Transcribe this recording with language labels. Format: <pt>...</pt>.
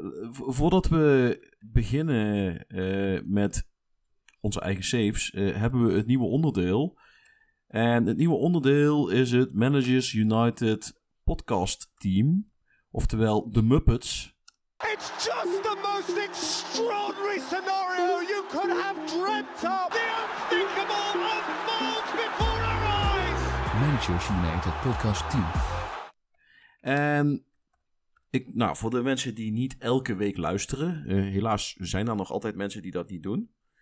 <nl>Voordat we beginnen met onze eigen saves, hebben we het nieuwe onderdeel. En het nieuwe onderdeel is het Managers United podcast team. Oftewel de Muppets.</nl> <en>It's just the most extraordinary scenario you could have dreamt of. The unthinkable unfolds before our eyes.</en> <nl>Managers United podcast team. En voor de mensen die niet elke week luisteren, helaas zijn er nog altijd mensen die dat niet doen.</nl>